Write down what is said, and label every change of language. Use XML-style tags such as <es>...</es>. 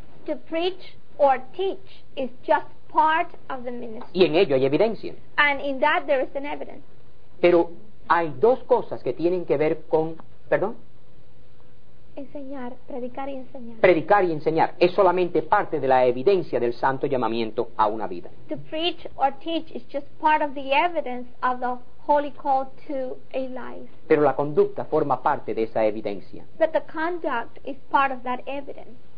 <en>To preach or teach is just part of the ministry.</en> <es>Y en ello hay evidencia.</es> <en>And in that there is an evidence.</en> <es>Pero hay dos cosas que tienen que ver con, perdón. Enseñar, predicar y enseñar. Predicar y enseñar es solamente parte de la evidencia del santo llamamiento a una vida.</es> <en>To preach or teach is just part of the evidence of the holy call to a life.</en> <es>Pero la conducta forma parte de esa evidencia.</es> <en>But the conduct is part of that evidence.</en>